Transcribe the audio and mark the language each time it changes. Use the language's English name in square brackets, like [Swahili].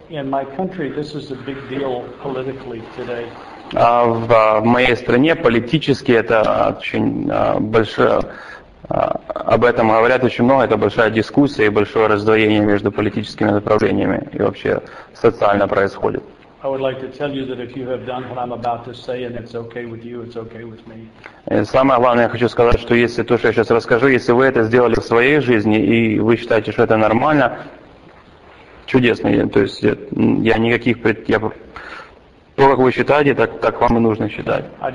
[English] In my country, this is a big deal politically today. [Russian] В моей стране политически это очень большое, об этом говорят очень много, это большая дискуссия и большое раздвоение между политическими направлениями и вообще социально происходит. [English] I would like to tell you that if you have done what I'm about to say and it's okay with you, it's okay with me. [Russian] Самое главное, я хочу сказать, что если то, что я сейчас расскажу, если вы это сделали в своей жизни и вы считаете, что это нормально, чудесно, то есть я никаких то, как вы считаете, так вам и нужно считать.